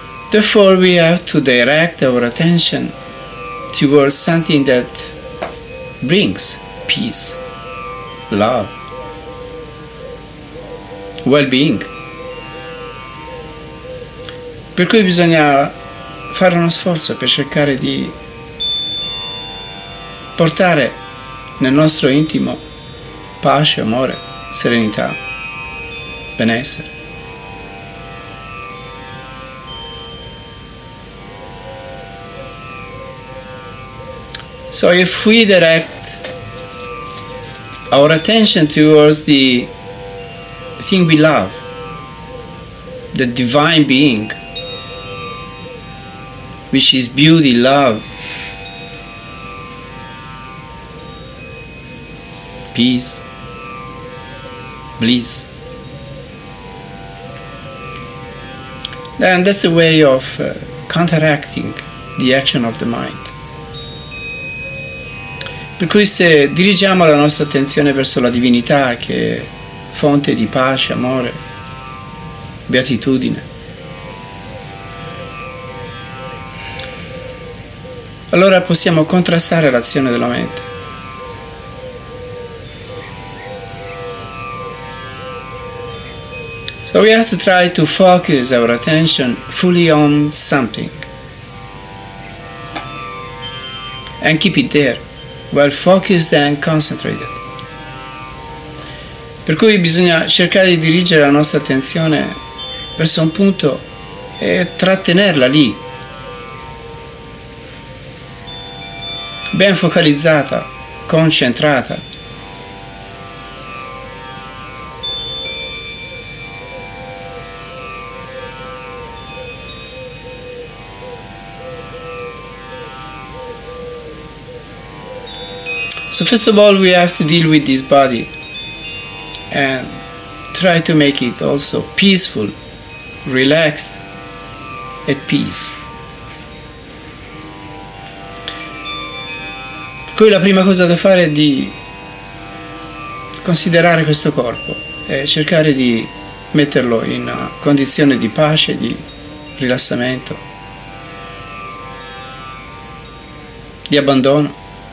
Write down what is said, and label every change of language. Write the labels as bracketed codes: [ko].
[en] Therefore, we have to direct our attention towards something that brings peace, love, well-being. [it] Per cui bisogna fare uno sforzo per cercare di portare nel nostro intimo pace, amore, serenità, benessere. [en] So if we direct our attention towards the thing we love, the divine being, which is beauty, love, peace, bliss, then that's a way of counteracting the action of the mind. [it] Per cui se dirigiamo la nostra attenzione verso la divinità, che è fonte di pace, amore, beatitudine, allora possiamo contrastare l'azione della mente. [en] So we have to try to focus our attention fully on something and keep it there, well focused and concentrated. [it] Per cui bisogna cercare di dirigere la nostra attenzione verso un punto e trattenerla lì, ben focalizzata, concentrata. [en] So first of all, we have to deal with this body and try to make it also peaceful, relaxed, at peace. [it] Poi la prima cosa da fare è di considerare questo corpo e cercare di metterlo in una condizione di pace, di rilassamento, di abbandono.